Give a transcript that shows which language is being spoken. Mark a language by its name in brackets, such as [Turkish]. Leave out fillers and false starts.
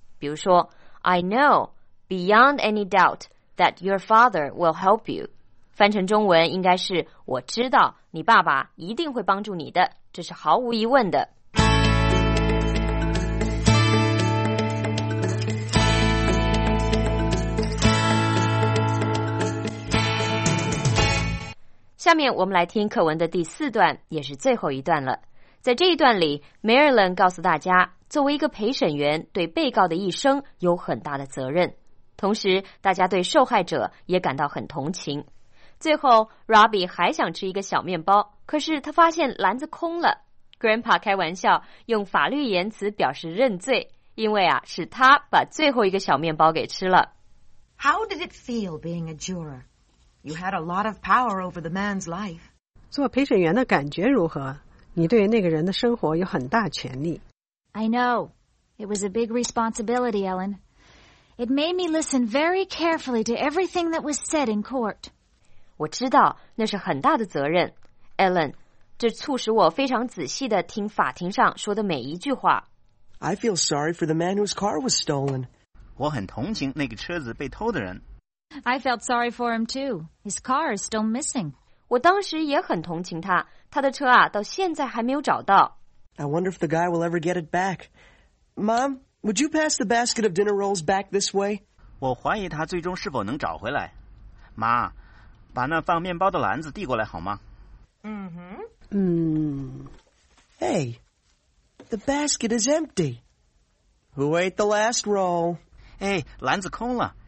[Chinese] 比如说 [English] I know beyond any doubt that your father will help you. [Chinese] 翻成中文应该是我知道你爸爸一定会帮助你的，这是毫无疑问的。下面我们来听课文的第四段，也是最后一段了。在这一段里 ，Marilyn 告诉大家，作为一个陪审员，对被告的一生有很大的责任，同时大家对受害者也感到很同情。最后 ，Robbie 还想吃一个小面包，可是他发现篮子空了。 Grandpa 开玩笑，用法律言辞表示认罪，因为啊，是他把最后一个小面包给吃了。 [English] How did it feel being a juror? You had a lot of power over the man's life. [Chinese] 做陪审员的感觉如何？你对那个人的生活有很大权力。 [English] I know. It was a big responsibility, Ellen. It made me listen very carefully to everything that was said in court. [Chinese] 我知道那是很大的责任。 Ellen, 这促使我非常仔细地听法庭上说的每一句话。 [English] I feel sorry for the man whose car was stolen. [Chinese] 我很同情那个车子被偷的人。 [English] I felt sorry for him too. His car is still missing. [Chinese] 我当时也很同情他，他的车啊，到现在还没有找到。 [English] I wonder if the guy will ever get it back. Mom, would you pass the basket of dinner rolls back this way? [Chinese] 我怀疑他最终是否能找回来。妈，把那放面包的篮子递过来好吗？嗯哼。 [English] 嗯。Hey, the basket is empty. Who ate the last roll? [Chinese] 哎，篮子空了。